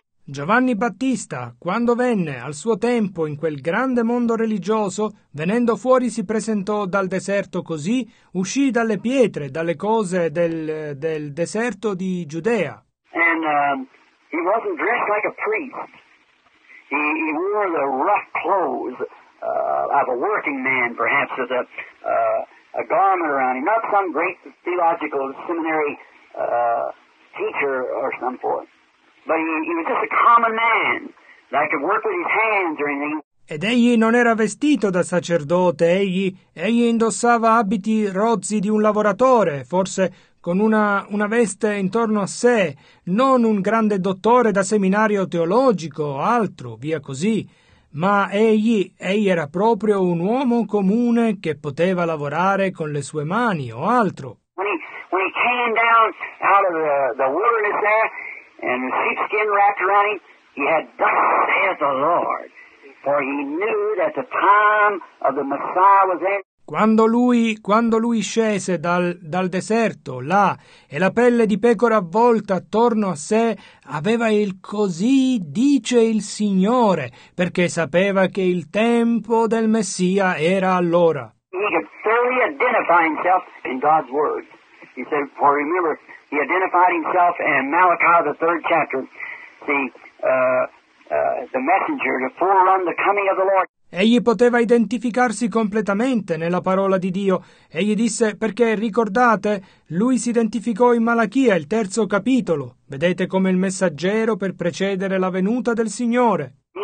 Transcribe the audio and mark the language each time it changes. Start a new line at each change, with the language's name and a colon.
Italian: Giovanni Battista, quando venne al suo tempo in quel grande mondo religioso, venendo fuori si presentò dal deserto così, uscì dalle pietre, dalle cose del deserto di Giudea.
English: And he wasn't dressed like a priest. He wore the rough clothes of a working man, perhaps, with a garment around him, not some great theological seminary teacher or some sort. But he was just a common man that could work with his hands or anything.
Italian: Ed egli non era vestito da sacerdote, egli indossava abiti rozzi di un lavoratore, forse con una veste intorno a sé, non un grande dottore da seminario teologico o altro, via così. Ma egli era proprio un uomo comune che poteva lavorare con le sue mani o altro.
English: When he came down out of the wilderness there, and the sheepskin wrapped around him, he had thus saith the Lord, for he knew that the time of the Messiah was in.
Italian: Quando lui scese dal deserto, là, e la pelle di pecora avvolta attorno a sé, aveva il così dice il Signore, perché sapeva che il tempo del Messia era allora.
English: He could fairly identify himself in God's word. He said, for remember, he identified himself in Malachi, the third chapter, the messenger to forerun the coming of the Lord.
Italian: Egli poteva identificarsi completamente nella parola di Dio. Egli disse, perché, ricordate, lui si identificò in Malachia, il terzo capitolo. Vedete come il messaggero per precedere la venuta del Signore.